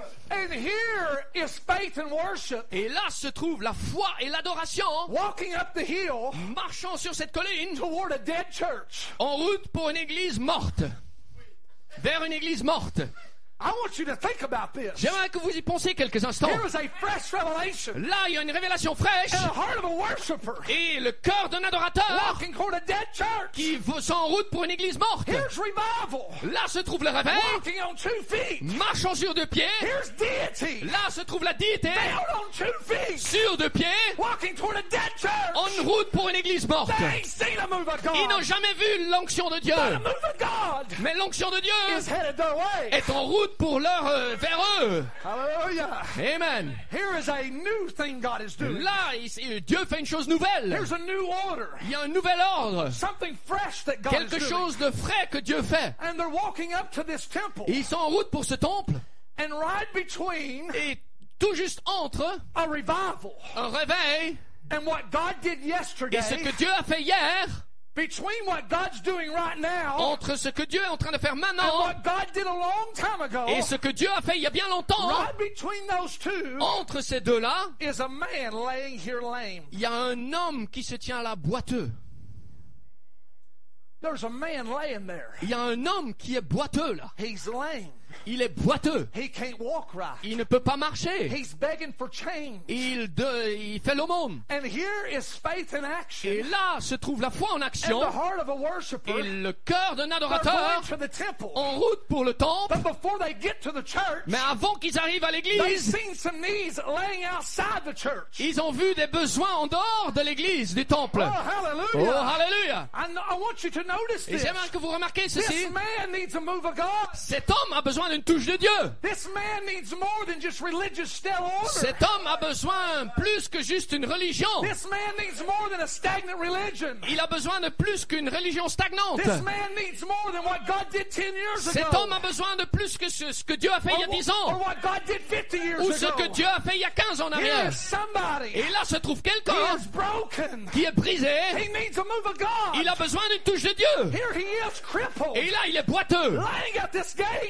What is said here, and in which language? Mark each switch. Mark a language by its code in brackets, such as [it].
[en] And here is faith and worship. [fr] Et là se trouve la foi et l'adoration. [en] Walking up the hill. [fr] Marchant sur cette colline. [en] Toward a dead church. [fr] En route pour une église morte. Vers une église morte. [en] I want you to think about this. [fr] J'aimerais que vous y pensiez quelques instants. [en] Here is a fresh revelation. [fr] Là, il y a une révélation fraîche. [en] And the heart of a worshiper. [fr] Et le cœur d'un adorateur. [en] Walking toward a dead church. [fr] Qui sont en route pour une église morte. [en] Here's revival. [fr] Là se trouve le réveil. [en] Walking on two feet. [fr] Marchant sur deux pieds. [en] Here's deity. [fr] Là se trouve la déité. [en] Bound on two feet. [fr] Sur deux pieds. [en] Walking toward a dead church. [fr] En route pour une église morte. [en] They ain't seen a move of God. [fr] Ils n'ont jamais vu l'onction de Dieu. [en] But a move of God. [fr] Mais l'onction de Dieu [en] is headed their way. [fr] Est en route pour leur vers eux. [en] Hallelujah. Amen. Here is a new thing God is doing. [fr] Là, Dieu fait une chose nouvelle. [en] There's a new order. [fr] Il y a un nouvel ordre. [en] Something fresh that God [fr] quelque [en] is [fr] chose [en] doing. [fr] De frais que Dieu fait. [en] And they're walking up to this temple. [fr] Ils sont en route pour ce temple. [en] And right between [fr] et tout juste entre [en] a revival. [fr] Un réveil [en] and what God did yesterday. [fr] Et ce que Dieu a fait hier. [en] Between what God's doing right now, [fr] entre ce que Dieu est en train de faire maintenant [en] and what God did a long time ago, [fr] et ce que Dieu a fait il y a bien longtemps, [en] right between those two, [fr] entre ces deux-là, [en] is a man laying here lame. [fr] Il y a un homme qui se tient là boiteux. [en] There's a man laying there. [fr] Il y a un homme qui est boiteux là. [en] He's lame. [fr] Il est boiteux. [en] He can't walk right. [fr] Il ne peut pas marcher. [en] He's begging for change. [fr] Il fait l'aumône. [en] And here is faith in action. [fr] Et là se trouve la foi en action. [en] And the heart of a worshiper. [fr] Et le cœur d'un adorateur. [en] They're going to the temple. [fr] En route pour le temple. [en] But before they get to the church, [fr] mais avant qu'ils arrivent à l'église, [en] they've seen some needs laying outside the church. [fr] Ils ont vu des besoins en dehors de l'église, du temple. [en] Oh, hallelujah. Oh, hallelujah. And I want you to notice this. [fr] Et j'aimerais que vous remarquiez ceci. [en] This man needs a move of God. [fr] Cet homme a besoin d'une touche de Dieu. [en] This man needs more than just religious stale order. [fr] Cet homme a besoin plus que juste une religion. [en] This man needs more than a stagnant religion. [fr] Il a besoin de plus qu'une religion stagnante. [en] This man needs more than what God did 10 years ago. [fr] Cet homme a besoin de plus que ce que Dieu a fait il y a 10 ans. [en] Or what God did 50 years [fr] ou ce que Dieu a fait il y a 15 ans en arrière. [en] Here is somebody. [fr] Et là se trouve quelqu'un [en] he is broken. [fr] Qui est brisé. [en] He needs a move of God. [fr] Il a besoin d'une touche de Dieu. [en] Here he is crippled. [fr] Et là il est boiteux. [en] Lying at this gate.